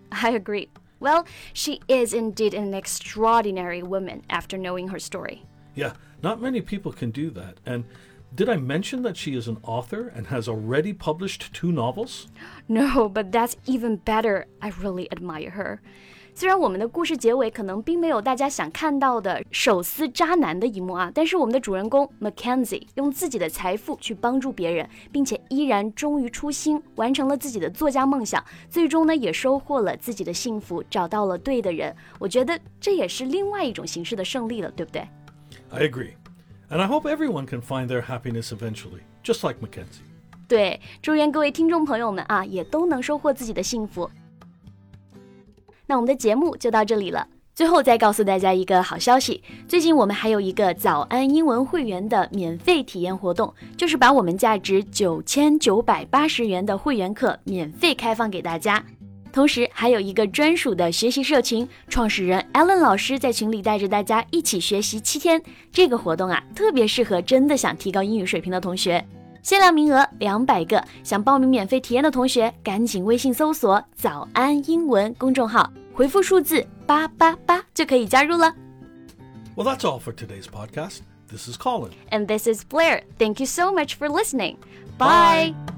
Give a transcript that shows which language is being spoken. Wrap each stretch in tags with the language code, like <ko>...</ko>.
<en>I agree. Well, she is indeed an extraordinary woman after knowing her story. Yeah, not many people can do that. And did I mention that she is an author and has already published 2 novels? No, but that's even better. I really admire her.</en> <zh>虽然我们的故事结尾可能并没有大家想看到的手撕渣男的一幕啊，但是我们的主人公 Mackenzie 用自己的财富去帮助别人，并且依然忠于初心，完成了自己的作家梦想，最终呢也收获了自己的幸福，找到了对的人。我觉得这也是另外一种形式的胜利了，对不对？</zh> <en>I agree. And I hope everyone can find their happiness eventually, just like Mackenzie.</en> <zh>对，祝愿各位听众朋友们啊，也都能收获自己的幸福。那我们的节目就到这里了。最后再告诉大家一个好消息，最近我们还有一个早安英文会员的免费体验活动，就是把我们价值9980元的会员课免费开放给大家。同时还有一个专属的学习社群，创始人 Alan 老师在群里带着大家一起学习7天。这个活动啊，特别适合真的想提高英语水平的同学。限量名额200个，想报名免费体验的同学赶紧微信搜索早安英文公众号，回复数字888就可以加入了。</zh> <en>Well, that's all for today's podcast. This is Colin. And this is Blair. Thank you so much for listening. Bye!</en>